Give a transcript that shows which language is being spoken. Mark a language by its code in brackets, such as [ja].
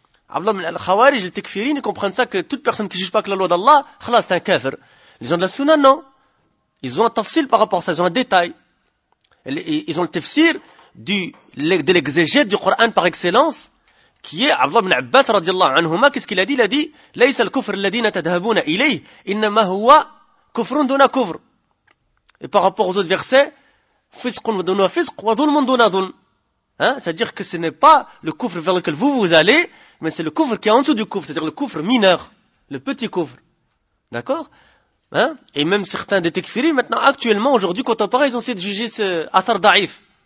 [fr] Abdallah ibn al-Khawarij, les tekfirines, ils comprennent ça que toute personne qui ne juge pas que la loi d'Allah, khalas, c'est un kafir. Les gens de la sunna, non. Ils ont un tafsil par rapport à ça, ils ont un détail. Ils ont le tafsir de l'exégète du Coran par excellence, qui est Abdallah ibn Abbas radiallahu anhuma. Qu'est-ce qu'il a dit? [ar] Il a dit لَيْسَ الْكُفْرِ الَّذِينَ تَذْهَبُونَ إِلَيْهِ إِنَّمَا هُوَ كُفْرٌ دُونَ كُفْرٍ. [fr] Et par rapport aux autres versets, [ar] fisqun duna fisq wa dhulmun duna dhulm. [fr] C'est-à-dire que ce n'est pas le kufr vers lequel vous allez, mais c'est le kufr qui est en dessous du kufr, c'est-à-dire le kufr mineur, le petit kufr. D'accord? Hein? Et même certains des tekfiris, maintenant, actuellement, aujourd'hui, contemporains, ils ont essayé de juger ce athar da'if.